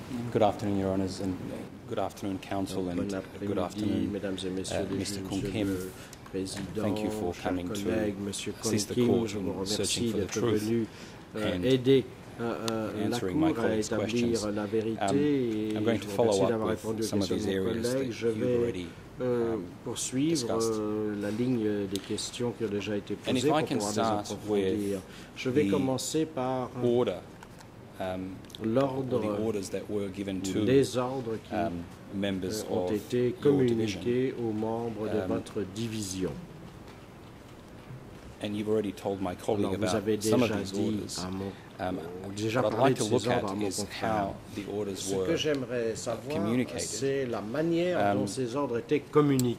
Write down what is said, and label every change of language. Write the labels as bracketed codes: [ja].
[en] Good afternoon, Your Honours, and good afternoon, Council, and good afternoon, Mr. Kung Kim. Thank you for coming to assist the court in searching for the truth and answering my colleague's questions. I'm going to follow up with some of these areas that you've already [fr] poursuivre la ligne des questions qui ont déjà été posées pour pouvoir les approfondir. Je vais commencer par l'ordre, les ordres qui ont été communiqués aux membres de votre division. [en] And you've already told my colleague about some of these orders. What I'd like to look at is how the orders were communicated.